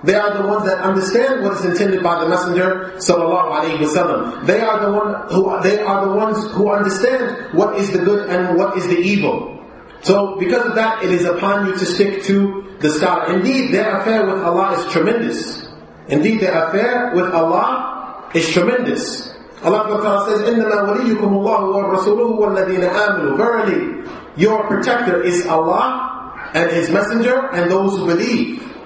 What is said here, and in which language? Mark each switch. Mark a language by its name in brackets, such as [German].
[English] They are the ones that understand what is intended by the Messenger sallallahu alaihi wasallam. They are the ones who understand what is the good and what is the evil. So because of that, it is upon you to stick to the scholar. Indeed, their affair with Allah is tremendous. Indeed, their affair with Allah is tremendous. Allah says, [Arabic] إِنَّمَا وَلِيُّكُمُ اللَّهُ وَالرَّسُولُهُ وَالَّذِينَ آمِنُوا. [English] Verily, your protector is Allah and His Messenger and those who believe.